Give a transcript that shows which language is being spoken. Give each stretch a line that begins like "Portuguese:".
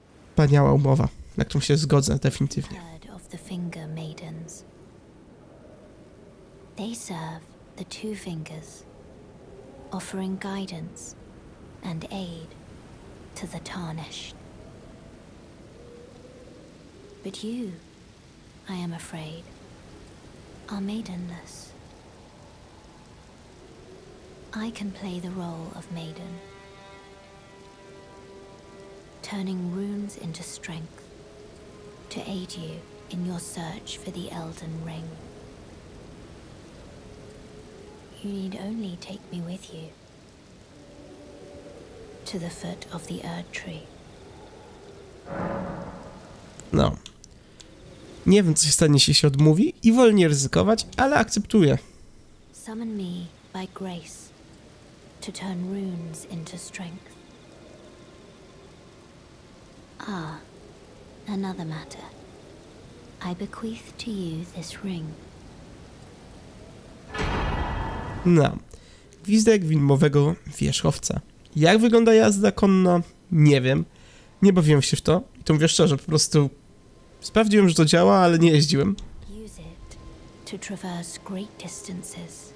Polish: Wspaniała umowa, na którą się zgodzę definitywnie.
English: Heard of the Finger Maidens. They serve the two fingers, offering guidance and aid to the tarnished. But you, I am afraid, are maidenless. I can play the role of maiden, turning runes into strength to aid you in your search for the Elden Ring. You need only take me with you to the foot of the Erd Tree. No.
Polish: Nie wiem, co się stanie, jeśli się odmówi i wolę nie ryzykować, ale akceptuję.
English: Summon me by grace. To turn runes into strength. Ah, another matter. I bequeath to you this ring.
Polish: No. Gwizdek widmowego wierzchowca. Jak wygląda jazda konna? Nie wiem. Nie bawiłem się w to. I to mówię szczerze, po prostu sprawdziłem, że to działa, ale nie jeździłem.
English: Use it to traverse great distances.